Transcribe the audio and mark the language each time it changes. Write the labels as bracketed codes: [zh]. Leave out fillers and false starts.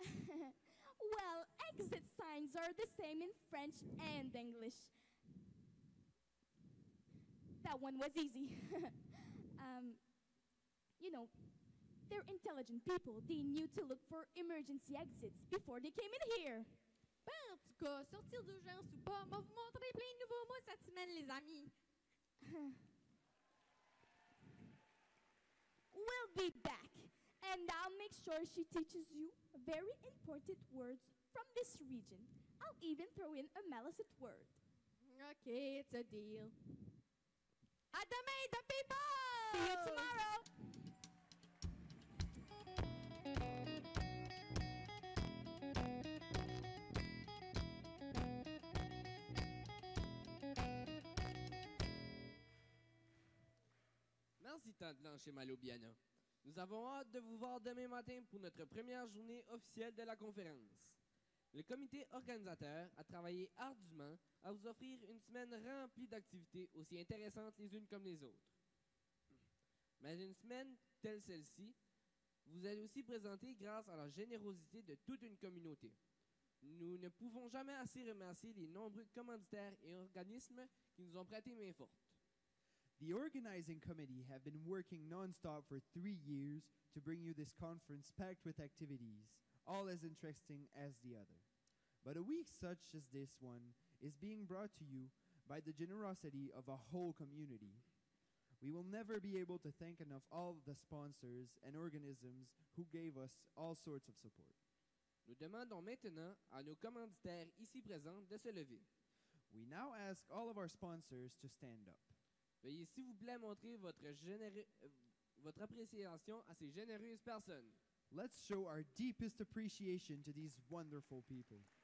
[en] Well, exit signs are the same in French and English. That one was easy. You know, they're intelligent people. They knew to look for emergency exits before they came in here. [fr] Ben, en tout cas, sortir d'urgence ou pas, m'a vous montré plein de nouveaux mots cette semaine, les amis. [en] We'll be back, and I'll make sure she teaches you very important words from this region. I'll even throw in a Malicet word. Okay, it's a deal. [fr] À demain, [en] the people! See you tomorrow! [fr] Merci tant de lancer Malobiana. Nous avons hâte de vous voir demain matin pour notre première journée officielle de la conférence. Le comité organisateur a travaillé ardument à vous offrir une semaine remplie d'activités aussi intéressantes les unes comme les autres. Mais une semaine telle celle-ci vous est aussi présentée grâce à la générosité de toute une communauté. Nous ne pouvons jamais assez remercier les nombreux commanditaires et organismes qui nous ont prêté main forte. [en] The organizing committee have been working non-stop for 3 years to bring you this conference packed with activities, all as interesting as the other. But a week such as this one is being brought to you by the generosity of a whole community. We will never be able to thank enough all the sponsors and organisms who gave us all sorts of support. [fr] Nous demandons maintenant à nos commanditaires ici présents de se lever. [en] We now ask all of our sponsors to stand up. [fr] Veuillez s'il vous plaît montrer votre appréciation à ces généreuses personnes. [en] Let's show our deepest appreciation to these wonderful people.